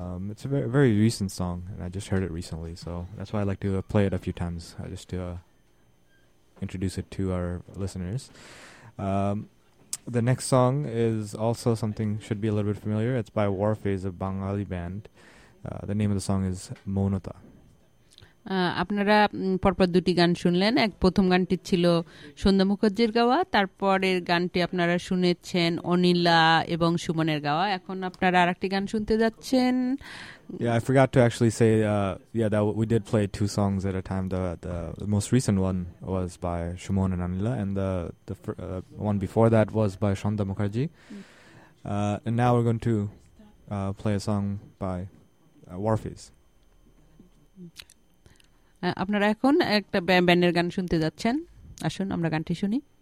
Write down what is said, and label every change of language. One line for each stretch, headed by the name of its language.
English: It's a very, very recent song, and I just heard it recently, so that's why I like to play it a few times, just to introduce it to our listeners. The next song is also something should be a little bit familiar. It's by Warface, a Bengali band. The name of the song is Monota.
Bangla: আপনারা পরপর দুটি গান শুনলেন, এক প্রথম গানটি ছিল সন্ধ্যা মুখার্জির গাওয়া, তারপরের গানটি আপনারা শুনেছেন অনিলা এবং সুমনের গাওয়া, এখন আপনারা আরেকটি গান শুনতে যাচ্ছেন।
English: Yeah, I forgot to actually say that we did play two songs at a time. The most recent one was by Sumon and Anila, and the one before that was by Sonda Mukherjee. And now we're going to play a song by Warface.
Bangla: আপনারা এখন একটা ব্যান্ডের গান শুনতে যাচ্ছেন, আসুন আমরা গানটি শুনি।